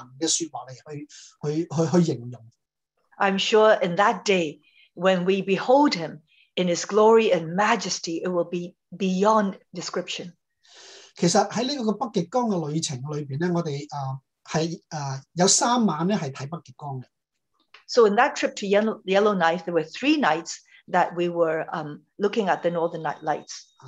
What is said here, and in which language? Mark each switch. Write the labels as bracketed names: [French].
[Chinese] 我相信,如果去到那日的時候,我們在主的面前的時候,我相信那個榮耀,那個燦爛更加的,我們不可以用人的說話去形容。 [English] I'm sure in that day, when we behold him in his glory and majesty, it will be beyond description. [Chinese] 其實在這個北極光的旅程裡面,我們有三晚是看北極光的。 [English] So in that trip to Yellowknife, there were three nights that we were looking at the northern night lights.